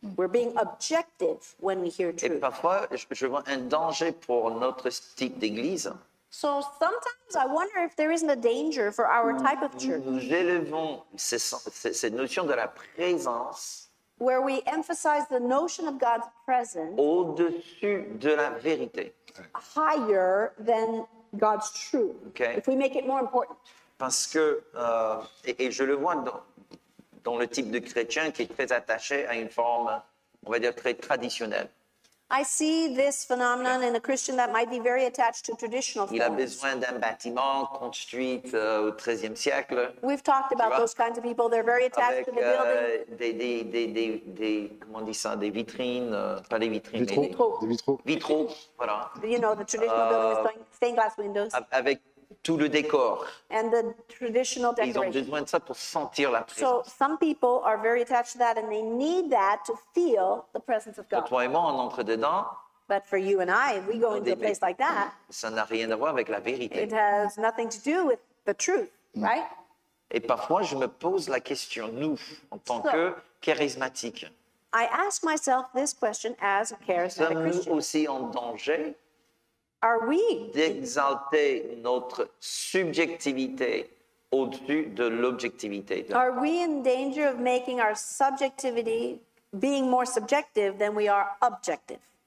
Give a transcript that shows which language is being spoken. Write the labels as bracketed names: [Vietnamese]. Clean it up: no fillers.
[English] We're being objective when we hear truth. [French] Et parfois, je vois un danger pour notre type d'église. [English] So sometimes I wonder if there isn't a danger for our type of church. [French] Nous élevons cette notion de la présence. [English] Where we emphasize the notion of God's presence. [French] Au-dessus de la vérité. [English] Higher than God's truth. Okay. If we make it more important. [French] Parce que, et je le vois dans le type de chrétien qui est très attaché à une forme, on va dire, très traditionnelle. [English] I see this phenomenon in a Christian that might be very attached to traditional forms. [French] Il a besoin d'un bâtiment construit au 13e siècle. [English] We've talked about those kinds of people. They're very attached to the building. [French] Des vitrines, pas des vitrines, vitraux. Vitraux, voilà. [English] You know, the traditional building with stained glass windows. [French] Avec tout le décor. [English] And the traditional decoration. [French] Ils ont besoin de ça pour sentir la présence. [English] So some people are very attached to that and they need that to feel the presence of God. [French] Pour toi et moi, on entre dedans. [English] But for you and I, if we go into a place like that. [French] Ça n'a rien à voir avec la vérité. [English] It has nothing to do with the truth, right? [French] Et parfois, je me pose la question, nous, en tant que charismatiques. [English] I ask myself this question as a charismatic Christian. [French] Sommes-nous aussi en danger? [English] Are we [French] d'exalter notre subjectivité au-dessus de l'objectivité? [English] Are we in danger of making our subjectivity being more subjective than we are objective?